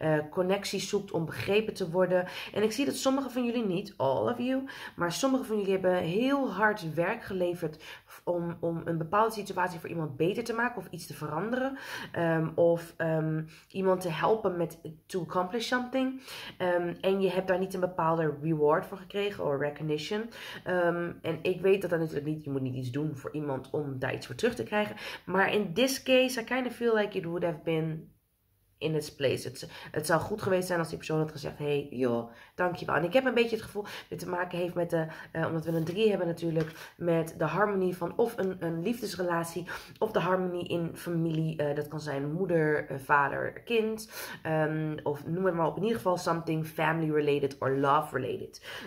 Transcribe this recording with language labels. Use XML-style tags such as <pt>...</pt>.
<nl>Connectie zoekt om begrepen te worden. En ik zie dat sommige van jullie niet,</nl> <en>all of you,</en> <nl>maar sommige van jullie hebben heel hard werk geleverd om een bepaalde situatie voor iemand beter te maken of iets te veranderen. Of iemand te helpen met</nl> <en>to accomplish something.</en> <nl>En je hebt daar niet een bepaalde reward voor gekregen of recognition. En ik weet dat natuurlijk niet, je moet niet iets doen voor iemand om daar iets voor terug te krijgen. Maar</nl> <en>in this case, I kind of feel like it would have been in its place.</en> <nl>Het zou goed geweest zijn als die persoon had gezegd, hey, joh, dankjewel. En ik heb een beetje het gevoel dat dit te maken heeft met omdat we een 3 hebben natuurlijk, met de harmonie van of een liefdesrelatie, of de harmonie in familie. Dat kan zijn moeder, vader, kind. Of noem het maar op, in ieder geval</nl> <en>something family related or love related.</en>